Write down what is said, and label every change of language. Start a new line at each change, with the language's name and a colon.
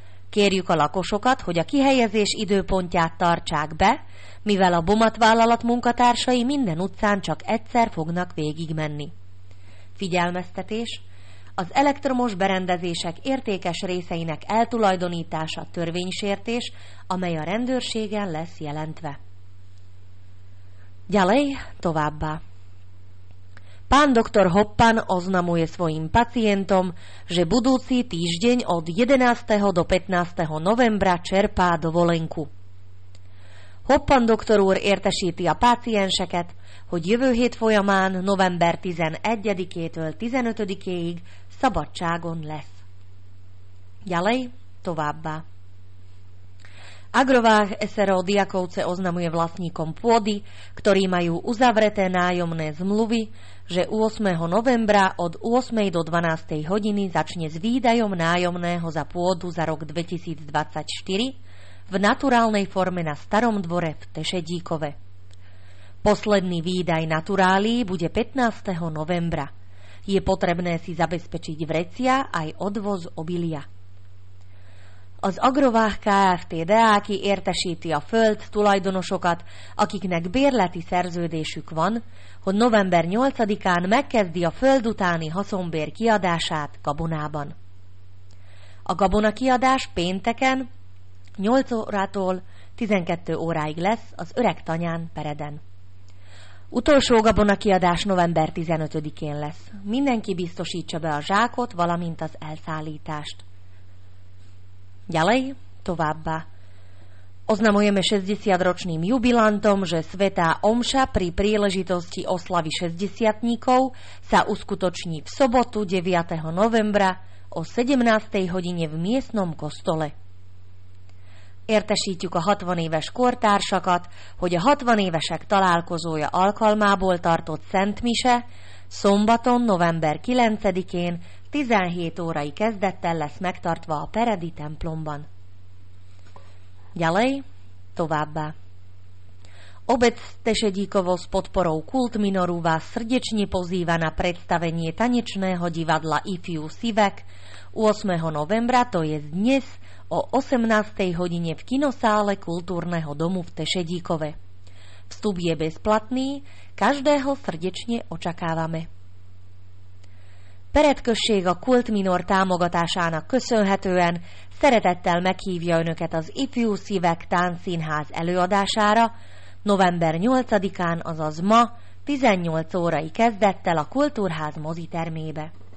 Hungarian: Kérjük a lakosokat, hogy a kihelyezés időpontját tartsák be, mivel a BOMAT vállalat munkatársai minden utcán csak egyszer fognak végigmenni. Figyelmeztetés: az elektromos berendezések értékes részeinek eltulajdonítása törvénysértés, amely a rendőrségen lesz jelentve.
Slovak: Ďalej
Hungarian: továbbá.
Slovak: Pán doktor Hoppan oznamuje svojim pacientom, že budúci týždeň od 11. do 15. novembra čerpá dovolenku.
Hungarian: Hoppan doktor úr értesíti a pácienseket, hogy jövő hét folyamán november 11-től 15-ig szabadságon lesz.
Slovak: Ďalej
Hungarian: továbbá.
Slovak: Agrovách SRO Diakovce oznamuje vlastníkom pôdy, ktorí majú uzavreté nájomné zmluvy, že 8. novembra od 8. do 12. hodiny začne s výdajom nájomného za pôdu za rok 2024 v naturálnej forme na Starom dvore v Tešedíkove. Posledný výdaj naturálií bude 15. novembra. Je potrebné si zabezpečiť vrecia aj odvoz obilia.
Hungarian: Az Agrovách Kft. Deáki értesíti a föld tulajdonosokat, akiknek bérleti szerződésük van, hogy november 8-án megkezdi a föld utáni haszonbér kiadását gabonában. A gabona kiadás pénteken 8 órától 12 óráig lesz az öreg tanyán Pereden. Utolsó gabona kiadás november 15-én lesz. Mindenki biztosítsa be a zsákot, valamint az elszállítást.
Slovak: Ďalej
Hungarian: továbbá.
Slovak: Oznamujeme 60-ročným jubilantom, že svätá omša pri príležitosti oslavy 60-tníkov sa uskutoční v sobotu 9. novembra o 17. hodine v miestnom kostole.
Hungarian: Értesítjük a 60 éves kortársakat, hogy a 60 évesek találkozója alkalmából tartott szentmise szombaton november 9-én 17 órai kezdettel lesz megtartva a Peredi templomban.
Slovak: Ďalej
Hungarian: továbbá.
Slovak: Obec Tešedíkovo s podporou Kult Minoru vás srdečne pozýva na predstavenie tanečného divadla IFU Sivek 8. novembra, to je dnes, o 18. hodine v kinosále Kultúrneho domu v Tešedíkove. Vstup je bezplatný, každého srdečne očakávame.
Hungarian: Peretkösség a Kult Minor támogatásának köszönhetően szeretettel meghívja önöket az IFU Sivek Táncszínház előadására, november 8-án, azaz ma, 18 órai kezdettel a Kultúrház mozitermébe.